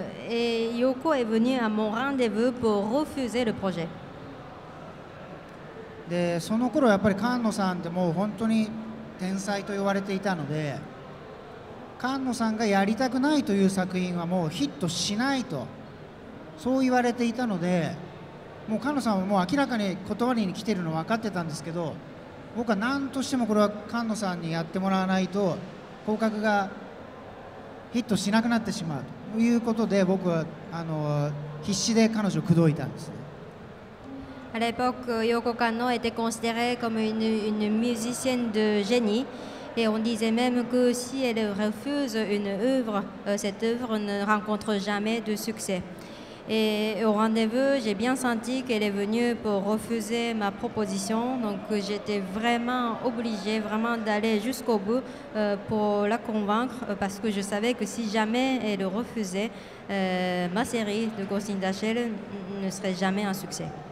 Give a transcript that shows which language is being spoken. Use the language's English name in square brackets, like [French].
[French] Et Yoko est venue à mon rendez-vous pour refuser le projet. [Japanese] でその頃やっぱり菅野さんってもう本当に天才と言われていたので、菅野さんがやりたくないという作品はもうヒットしないとそう言われていたので、もう菅野さんはもう明らかに断りに来てるの分かってたんですけど、僕は何としてもこれは菅野さんにやってもらわないと広角がヒットしなくなってしまうということで僕はあの必死で彼女を口説いたんですね。 [French] À l'époque, Yoko Kanno était considérée comme une musicienne de génie et on disait même que si elle refuse une œuvre, cette œuvre ne rencontre jamais de succès. Et au rendez-vous, j'ai bien senti qu'elle est venue pour refuser ma proposition, donc j'étais vraiment obligée vraiment d'aller jusqu'au bout pour la convaincre parce que je savais que si jamais elle refusait, ma série de Ghosting Dachel ne serait jamais un succès.